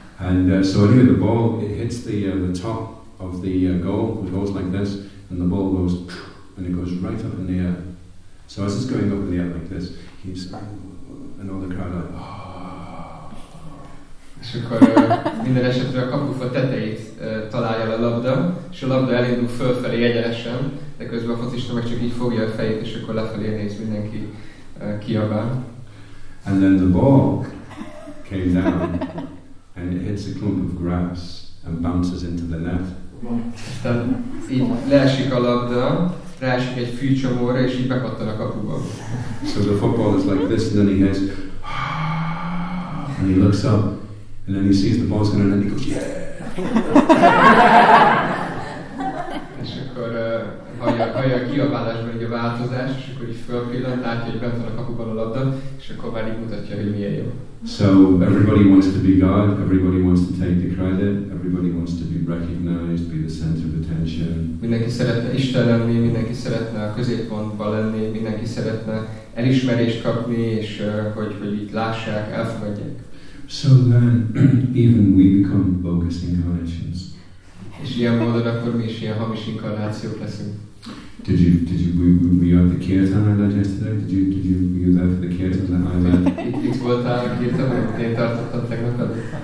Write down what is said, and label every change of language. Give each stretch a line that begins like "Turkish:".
English: And so anyway, the ball it hits the top of the goal. It goes like this, and the ball goes. And it goes right up in the air. So as it's going up in the air like this, he's and all the crowd are like,
Hungarian: És akkor minden esetre a kapufa tetejét találja a labda, és a labda elindul fölfelé egyenesen, de közben a focista meg csak így fogja a fejét, és akkor lefelé néz mindenki kiabál.
English: And then the ball came down and it hits a clump of grass and bounces into the net.
Hungarian: Tehát így leesik a labda, ráesik egy fűcsomóra, és így bekattan a kapuba.
English: So the footballer is like this, and then he goes, and he looks up, and then he sees the ball's going, and then he goes, yeah!
Hungarian: És akkor hallja a kiabálásban egy a változás, és akkor így fölpillant, látja, hogy bent van a kapuban a labda, és akkor már így mutatja, hogy milyen jó.
English: So everybody wants to be God, everybody wants to take the credit, everybody wants to be recognized, be the center of attention.
Hungarian: Mindenki szeretne Isten lenni, mindenki szeretne a középpontban lenni, mindenki szeretne elismerést kapni, és hogy itt lássák, elfogadják.
English: So then, even we become bogus incarnations.
Hungarian: És ilyen módon akkor mi is ilyen hamis inkarnációk leszünk.
English: Were you at the kirtan I led yesterday? Were you there for the kirtan that I led?
Hungarian: Itt voltál a kirtan, amit én tartottam tegnap előtt.